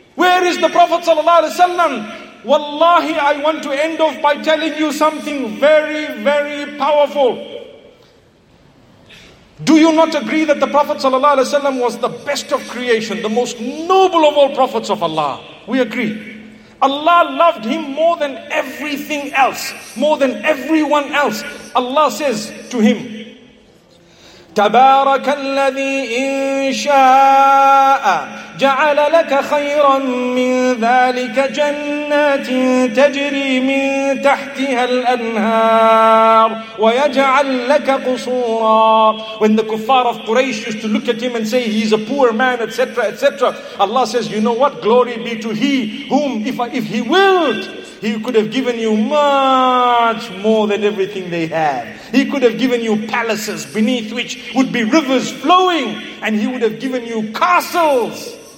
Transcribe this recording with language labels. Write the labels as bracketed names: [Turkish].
[English] Where is the Prophet sallallahu alaihi wasallam? Wallahi, I want to end off by telling you something very, very powerful. Do you not agree that the Prophet sallallahu alaihi wasallam was the best of creation, the most noble of all prophets of Allah? We agree. Allah loved him more than everything else, more than everyone else. Allah says to him, [Arabic] تبارك الذي إن شاء جعل لك خيرا من ذلك جنات تجري من تحتها الأنهار ويجعل لك قصورا. [English] When the kuffar of Quraysh used to look at him and say he's a poor man, etc., etc., Allah says, you know what? Glory be to He whom, if He willed, He could have given you much more than everything they had. He could have given you palaces beneath which would be rivers flowing, and He would have given you castles.